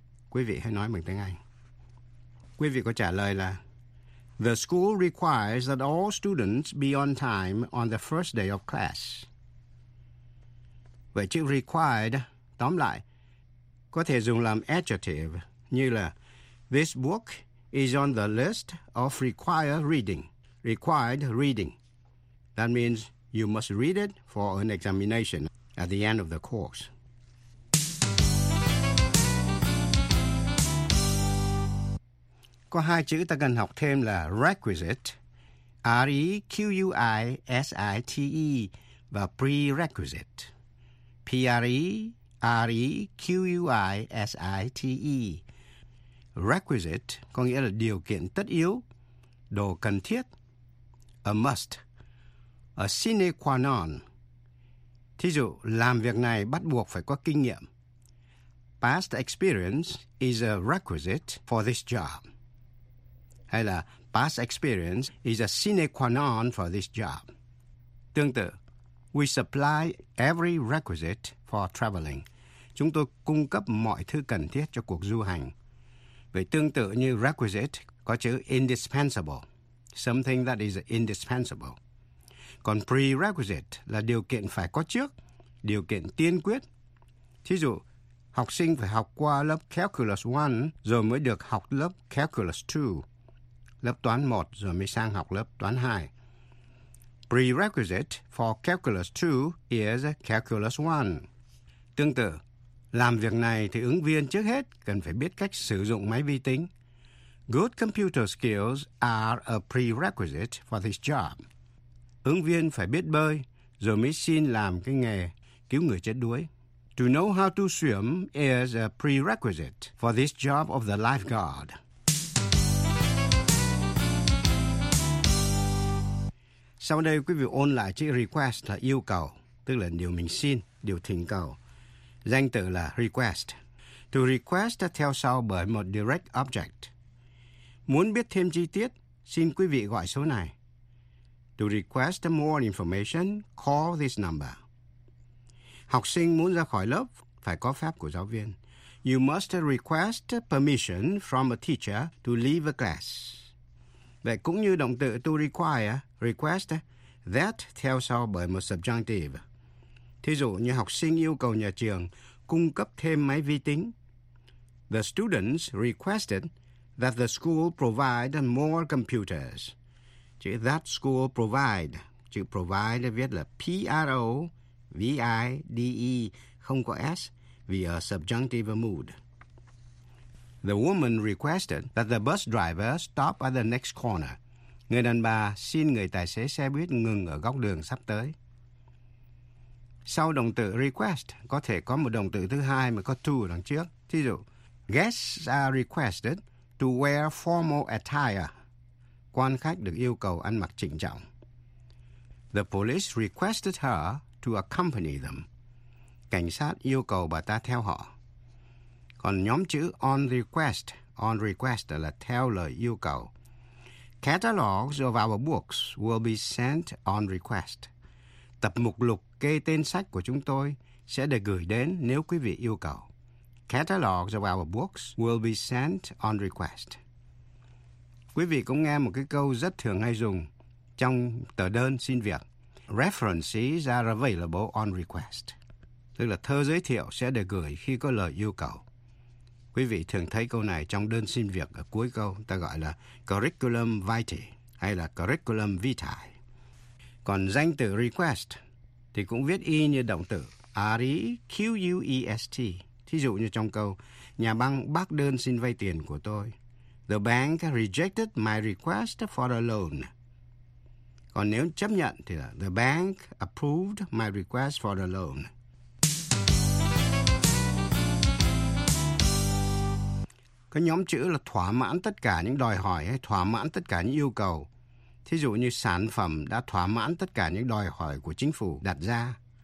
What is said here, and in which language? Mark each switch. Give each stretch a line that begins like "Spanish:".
Vietnamese: Quý vị hãy nói bằng tiếng Anh. Quý vị có trả lời là
English: the school requires that all students be on time on the first day of class.
Vietnamese: Vậy chữ required, tóm lại, có thể dùng làm adjective như là
English: this book is on the list of required reading. Required reading. That means you must read it for an examination at the end of the course.
Vietnamese: Có hai chữ ta cần học thêm là requisite, requisite, và prerequisite, prerequisite. Requisite có nghĩa là điều kiện tất yếu, đồ cần thiết,
English: a must, a sine qua non.
Vietnamese: Thí dụ, làm việc này bắt buộc phải có kinh nghiệm.
English: Past experience is a requisite for this job.
Vietnamese: Hay là
English: past experience is a sine qua non for this job.
Vietnamese: Tương tự,
English: we supply every requisite for traveling.
Vietnamese: Chúng tôi cung cấp mọi thứ cần thiết cho cuộc du hành. Vậy tương tự như requisite có chữ indispensable,
English: something that is indispensable.
Vietnamese: Còn prerequisite là điều kiện phải có trước, điều kiện tiên quyết. Thí dụ, học sinh phải học qua lớp Calculus 1 rồi mới được học lớp Calculus 2, lớp toán 1 rồi mới sang học lớp toán 2.
English: Prerequisite for Calculus 2 is Calculus 1.
Vietnamese: Tương tự, làm việc này thì ứng viên trước hết cần phải biết cách sử dụng máy vi tính.
English: Good computer skills are a prerequisite for this job.
Vietnamese: Ứng viên phải biết bơi, rồi mới xin làm cái nghề cứu người chết đuối.
English: To know how to swim is a prerequisite for this job of the lifeguard.
Vietnamese: Sau đây, quý vị ôn lại chữ request là yêu cầu, tức là điều mình xin, điều thỉnh cầu. Danh từ là request. To request theo sau bởi một direct object. Muốn biết thêm chi tiết, xin quý vị gọi số này.
English: To request more information, call this number.
Vietnamese: Học sinh muốn ra khỏi lớp, phải có phép của giáo viên.
English: You must request permission from a teacher to leave a class.
Vietnamese: Vậy cũng như động từ to require, request, that theo sau bởi một subjunctive. Thí dụ như học sinh yêu cầu nhà trường cung cấp thêm máy vi tính.
English: The students requested that the school provide more computers.
Vietnamese: Chữ that school provide, chữ provide viết là P-R-O-V-I-D-E, không có S, vì ở subjunctive mood.
English: The woman requested that the bus driver stop at the next corner.
Vietnamese: Người đàn bà xin người tài xế xe buýt ngừng ở góc đường sắp tới. Sau động từ request, có thể có một động từ thứ hai mà có to ở đằng trước. Thí dụ,
English: guests are requested to wear formal attire.
Vietnamese: Quan khách được yêu cầu ăn mặc chỉnh trọng.
English: The police requested her to accompany them.
Vietnamese: Cảnh sát yêu cầu bà ta theo họ. Còn nhóm chữ on request là theo lời yêu cầu.
English: Catalogs of our books will be sent on request.
Vietnamese: Tập mục lục kê tên sách của chúng tôi sẽ được gửi đến nếu quý vị yêu cầu.
English: Catalogs of our books will be sent on request.
Vietnamese: Quý vị cũng nghe một cái câu rất thường hay dùng trong tờ đơn xin việc.
English: References are available on request.
Vietnamese: Tức là thơ giới thiệu sẽ được gửi khi có lời yêu cầu. Quý vị thường thấy câu này trong đơn xin việc ở cuối câu, ta gọi là curriculum vitae hay là curriculum vitae. Còn danh từ request thì cũng viết y như động từ request. Thí dụ như trong câu, nhà băng bác đơn xin vay tiền của tôi.
English: The bank rejected my request for a loan.
Vietnamese: Còn nếu chấp nhận thì là
English: the bank approved my request for a loan.
Vietnamese: Cái nhóm chữ là thỏa mãn tất cả những đòi hỏi hay thỏa mãn tất cả những yêu cầu. Thí dụ như sản phẩm đã thỏa mãn tất cả những đòi hỏi của chính phủ đặt ra.